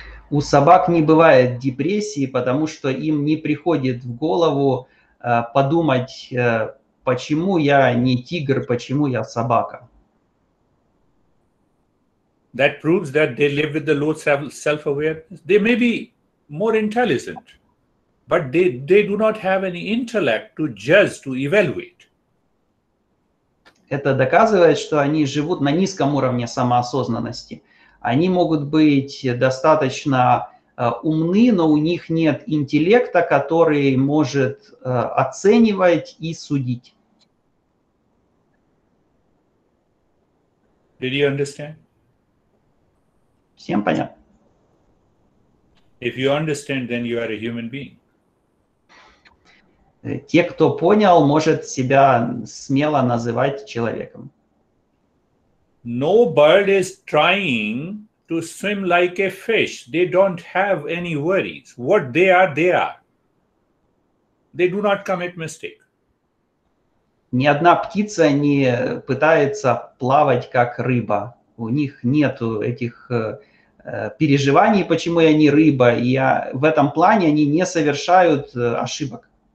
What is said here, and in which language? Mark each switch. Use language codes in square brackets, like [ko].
[ru] У собак не бывает депрессии, потому что им не приходит в голову подумать, почему я не тигр, почему я собака. [en] That proves that they live with the low self-awareness. They may be more intelligent. But they do not have any intellect to judge, to evaluate. [ru] Это доказывает, что они живут на низком уровне самоосознанности. Они могут быть достаточно умны, но у них нет интеллекта, который может оценивать и судить. [en] Did you understand? [ru] Всем понятно. [en] If you understand, then you are a human being. [ru] Те, кто понял, может себя смело называть человеком. [en] No bird is trying to swim like a fish. They don't have any worries. What they are, they are. They do not commit mistake. [ru] Ни одна птица не пытается плавать как рыба. У них нет этих переживаний, почему я не рыба. И я, в этом плане они не совершают ошибок.